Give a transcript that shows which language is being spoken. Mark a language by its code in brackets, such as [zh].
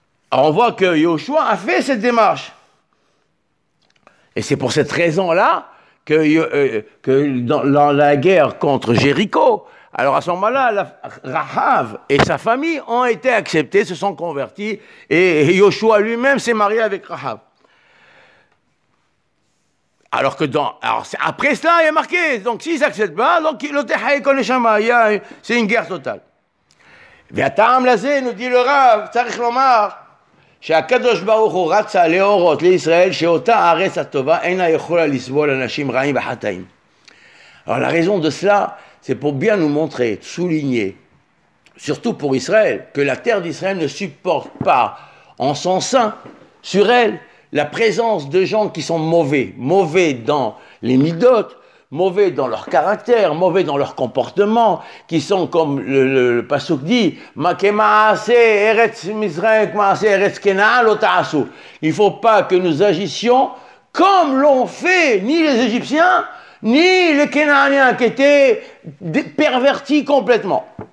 [fr] Alors on voit que Yoshua a fait cette démarche. Et c'est pour cette raison-là que dans la guerre contre Jéricho, alors à ce moment-là, Rahav et sa famille ont été acceptés, se sont convertis, et Yoshua lui-même s'est marié avec Rahav. Alors que après cela, il y a marqué, donc s'ils n'acceptent pas, donc l'Otechaï Koneshama, c'est une guerre totale. [he] Viatam Lazé [fr] nous dit le Rav, [he] Tzarich Lomar, שהקדוש ברוך הוא רצה להורות לישראל שאותה הארץ הטובה אינה יכולה לסבול אנשים רעים וחטאים. [fr] Alors la raison de cela, c'est pour bien nous montrer, souligner, surtout pour Israël, que la terre d'Israël ne supporte pas en son sein, sur elle, la présence de gens qui sont mauvais, mauvais dans les midotes, mauvais dans leur caractère, mauvais dans leur comportement, qui sont comme le pasuk dit, il faut pas que nous agissions comme l'ont fait ni les Égyptiens, ni les Canaaniens qui étaient pervertis complètement.